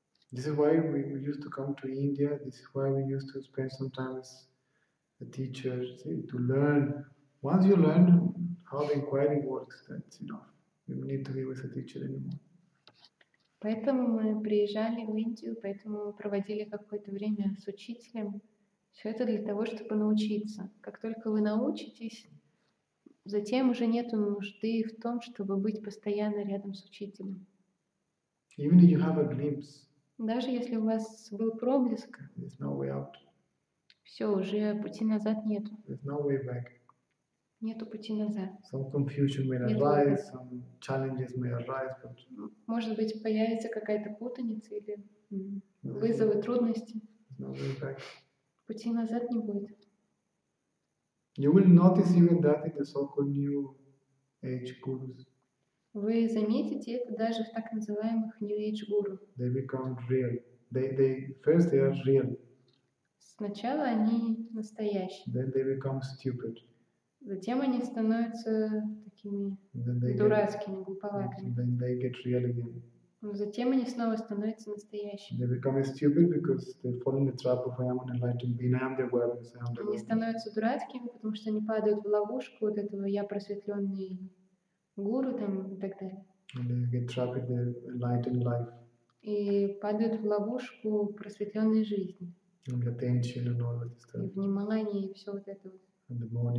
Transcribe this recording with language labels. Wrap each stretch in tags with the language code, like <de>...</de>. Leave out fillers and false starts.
<en>This is why we used to come to India. This is why we used to spend some time as a teacher, see, to learn. Once you learn how the inquiry works, that's enough. You don't need to be with a teacher anymore.</en> <ru>Поэтому мы приезжали в Индию, поэтому проводили какое-то время с учителем. Все это для того, чтобы научиться. Как только вы научитесь, затем уже нет нужды в том, чтобы быть постоянно рядом с учителем.</ru> <en>Even if you have a glimpse.</en> <ru>Даже если у вас был проблеск,</ru> <en>no way out.</en> <ru>Все, уже пути назад нет.</ru> <en>No way back.</en> <ru>Нету пути назад.</ru> <en>Some confusion may arise, some challenges may arise, but...</en> <ru>Может быть, появится какая-то путаница или вызовы, трудности.</ru> <en>No way back.</en> <ru>Пути назад не будет.</ru> <en>You will notice even that in the so-called new age gurus.</en> <ru>Вы заметите это даже в так называемых New Age Guru.</ru> <en>They become real. They first they are real.</en> <ru>Сначала они настоящие.</ru> <en>Then they become stupid.</en> <ru>Затем они становятся такими дурацкими, глуповатыми.</ru> <en>Then they get real again.</en> <ru>Но затем они снова становятся настоящими.</ru> <en>They become stupid because they fall in the trap of I am an enlightened being, I am the awareness, I am the awareness.</en> <ru>Они становятся дурацкими, потому что они падают в ловушку вот этого я просветленный. Гуру там и так далее. И падают в ловушку просветленной жизни. И внимание, и все вот это вот.</ru>